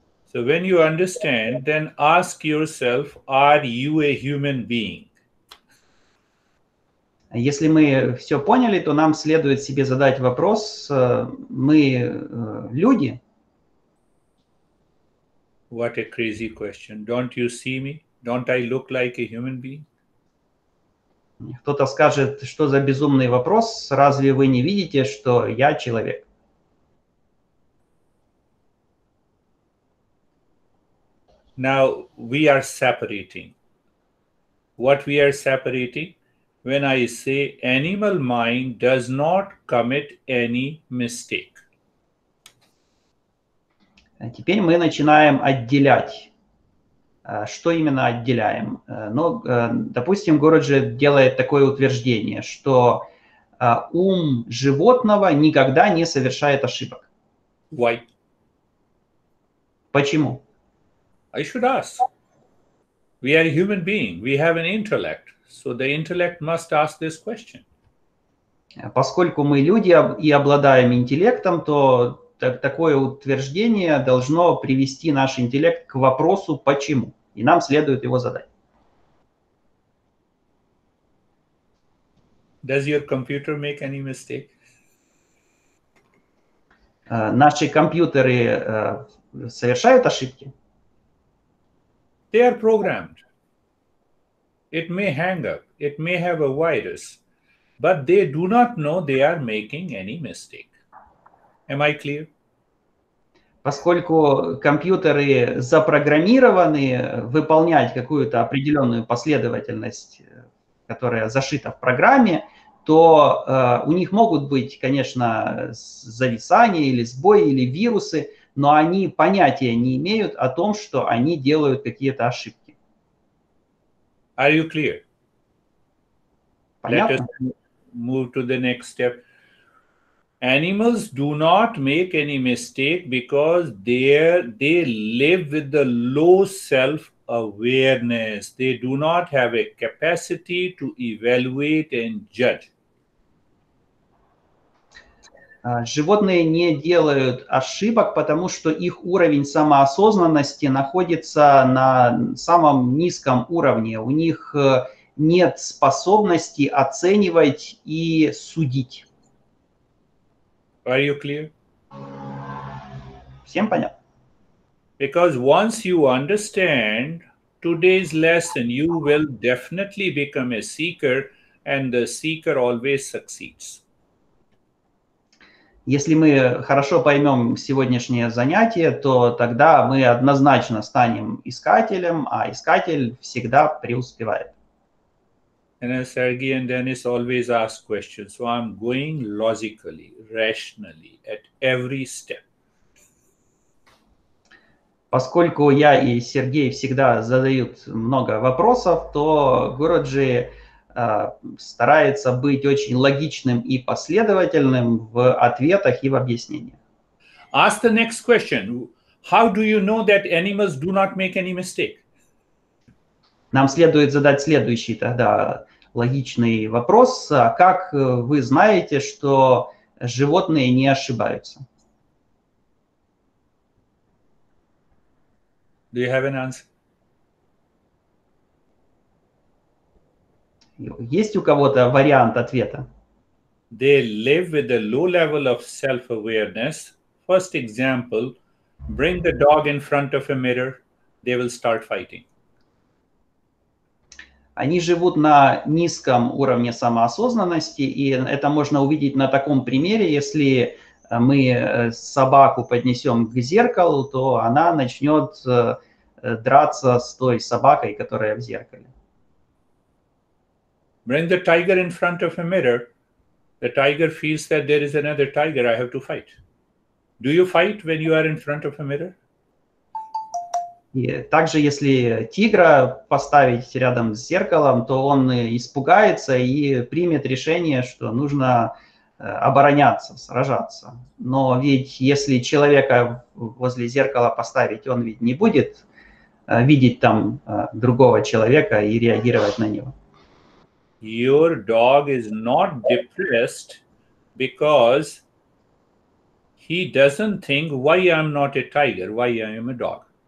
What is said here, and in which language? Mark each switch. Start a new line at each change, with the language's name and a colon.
English: So when you understand, then ask yourself, are you a human being?
Russian: Если мы все поняли, то нам следует себе задать вопрос, мы люди?
English: What a crazy question. Don't you see me? Don't I look like a human being?
Russian: Кто-то скажет, что за безумный вопрос, разве вы не видите, что я человек?
English: Now we are separating. What we are separating? When I say animal mind does not commit any mistake.
Russian: Теперь мы начинаем отделять. Что именно отделяем? Ну, допустим, Городжи делает такое утверждение, что ум животного никогда не совершает ошибок.
English: Why?
Russian: Почему?
English: I should ask. We are a human being. We have an intellect. So the intellect must ask this question.
Russian: Поскольку мы люди и обладаем интеллектом, то такое утверждение должно привести наш интеллект к вопросу «почему?», и нам следует его задать.
English: Does your computer make any mistake?
Russian: Наши компьютеры совершают ошибки?
English: They are programmed. It may hang up, it may have a virus, but they do not know they are making any mistake. Am I clear?
Russian: Поскольку компьютеры запрограммированы выполнять какую-то определенную последовательность, которая зашита в программе, то у них могут быть, конечно, зависания или сбои, или вирусы, но они понятия не имеют о том, что они делают какие-то ошибки.
English: Are you clear?
Russian: Понятно?
English: Let us move to the next step. Animals do not make any mistake because they live with the low self-awareness. They do not have a capacity to evaluate and judge.
Russian: Животные не делают ошибок, потому что их уровень самоосознанности находится на самом низком уровне. У них нет способности оценивать и судить.
English: Are you clear?
Russian: Всем понятно?
English: Because once you understand today's lesson, you will definitely become a seeker, and the seeker always succeeds.
Russian: Если мы хорошо поймем сегодняшнее занятие, то тогда мы однозначно станем искателем, а искатель всегда преуспевает.
English: And then Sergey and Dennis always ask questions. So I'm going logically, rationally, at every step.
Russian: Поскольку я и Сергей всегда задают много вопросов, то Гуруджи старается быть очень логичным и последовательным в ответах и в объяснениях.
English: Ask the next question. How do you know that animals do not make any mistake?
Russian: Нам следует задать следующий тогда логичный вопрос. Как вы знаете, что животные не ошибаются?
English: Do you have an answer?
Russian: Есть у кого-то вариант ответа?
English: They live with a low level of self-awareness. First example, bring the dog in front of a mirror, they will start fighting.
Russian: Они живут на низком уровне самоосознанности, и это можно увидеть на таком примере. Если мы собаку поднесем к зеркалу, то она начнет драться с той собакой, которая в зеркале.
English: Bring the tiger in front of a mirror. The tiger feels that there is another tiger. I have to fight. Do you fight when you are in front of a mirror?
Russian: И также, если тигра поставить рядом с зеркалом, то он испугается и примет решение, что нужно обороняться, сражаться. Но ведь если человека возле зеркала поставить, он ведь не будет видеть там другого человека и реагировать на него.
English: Your dog is not depressed because he doesn't think, why I'm not a tiger, why I am a dog.